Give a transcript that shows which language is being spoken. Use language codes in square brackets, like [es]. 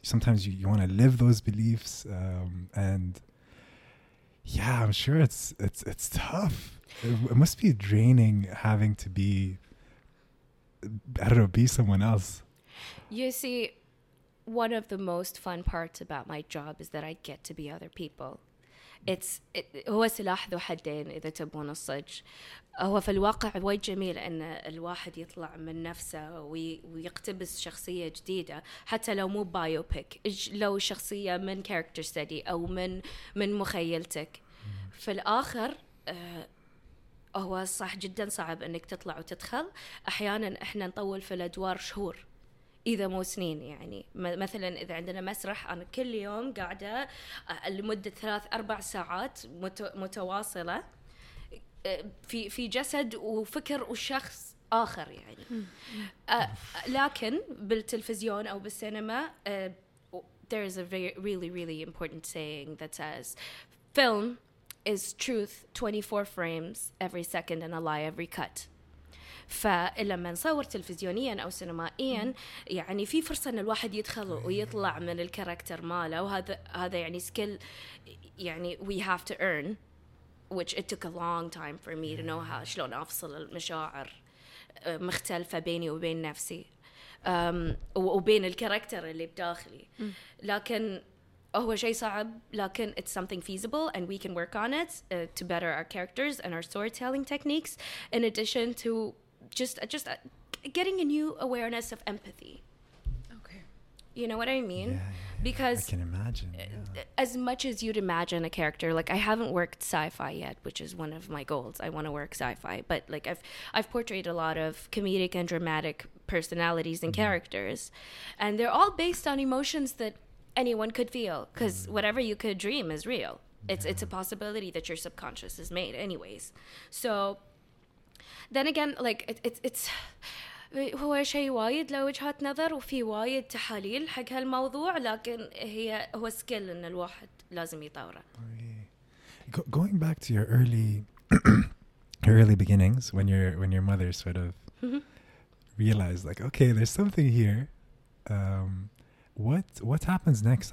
[en] Sometimes you want to live those beliefs. And yeah, I'm sure it's tough. It must be draining having to be, I don't know, be someone else. You see, one of the most fun parts about my job is that I get to be other people. [ar] It's هو سلاح ذو حدين إذا تبون الصج. هو في الواقع وايد جميل أن الواحد يطلع من نفسه ويقتبس شخصية جديدة, حتى لو مو بايوبيك, لو شخصية من كاركتر ستدي أو من مخيلتك. في الآخر هو صح جدا صعب أنك تطلع وتدخل. أحيانا إحنا نطول في الأدوار شهور إذا مو سنين. يعني مثلا إذا عندنا مسرح, أنا كل يوم قاعدة لمدة 3-4 ساعات متواصلة في جسد وفكر وشخص آخر يعني. لكن بالتلفزيون أو بالسينما [en] there is a very, really really important saying that says film is truth 24 frames every second and a lie every cut. [ar] فلما نصور تلفزيونيا أو سينمائيا يعني في فرصة أن الواحد يدخل ويطلع من الكاركتر ماله, وهذا يعني سكيل يعني [en] we have to earn, which it took a long time for me to know how [ar] شلون أفصل المشاعر مختلفة بيني وبين نفسي وبين الكاركتر اللي بداخلي. لكن هو شيء صعب, لكن [en] it's something feasible and we can work on it to better our characters and our storytelling techniques, in addition to just getting a new awareness of empathy. Okay. You know what I mean? Yeah. Because I can imagine. As much as you'd imagine a character, like I haven't worked sci-fi yet, which is one of my goals. I want to work sci-fi, but like I've portrayed a lot of comedic and dramatic personalities and characters, and they're all based on emotions that anyone could feel, cuz whatever you could dream is real. Yeah. It's a possibility that your subconscious has made anyways. So then again, like it's [ar] هو شيء وايد لوجهات نظر وفي وايد تحاليل حق هالموضوع, لكن هو سكيل ان الواحد لازم يطوره. [en] Going back to your early early beginnings when your mother sort of realized like, okay, there's something here, what happens next?